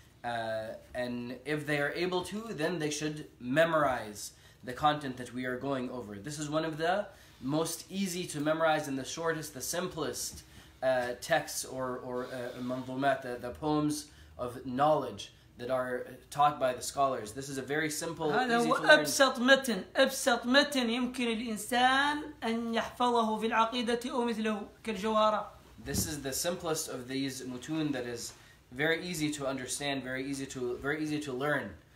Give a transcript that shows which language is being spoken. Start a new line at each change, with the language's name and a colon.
English: And if they are able to, then they should memorize the content that we are going over. This is one of the most easy to memorize and the shortest, the simplest texts or manzumat, the poems of knowledge that are taught by the scholars. This is a very simple, easy to learn.
Arabic: أبسط متن يمكن الإنسان أن يحفظه في العقيدة أو مثله كالجوهرة.
English: This is the simplest of these mutun that is very easy to understand, very easy to learn.